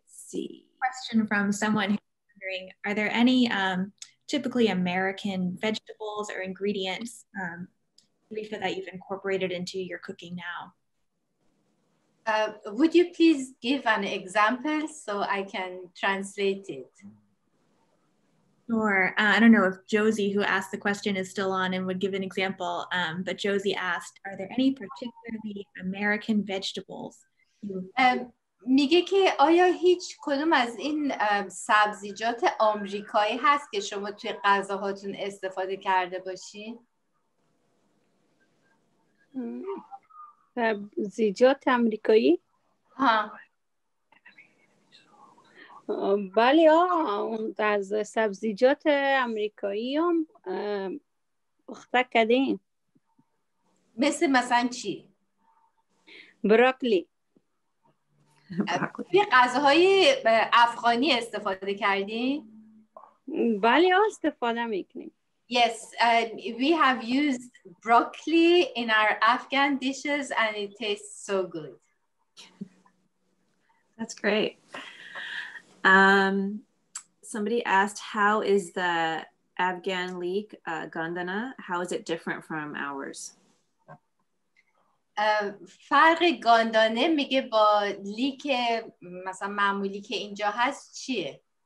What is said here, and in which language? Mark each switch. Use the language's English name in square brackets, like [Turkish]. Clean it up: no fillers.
[English] Question from someone who's wondering, are there any typically American vegetables or ingredients, Rifa, that you've incorporated into your cooking now? Would you please give an example so I can translate it? Sure. I don't know if Josie, who asked the question, is still on and would give an example, but Josie asked, are there any particularly American vegetables you [Persian] میگه که آیا هیچ کدوم از این سبزیجات آمریکایی هست که شما توی غذاهاتون استفاده کرده باشی؟ سبزیجات آمریکایی؟ ها. بله از سبزیجات آمریکایی هم پخته کردیم. مثلا چی؟ براکلی. توی غذاهای افغانی استفاده کردین؟ بله استفاده میکنیم. [English] Yes, we have used broccoli in our Afghan dishes and it tastes so good. That's great. Somebody asked, how is the Afghan leek, gandana, how is it different from ours? [Persian] فرق گاندانه میگه با لیک مثلا معمولی که اینجا هست چیه؟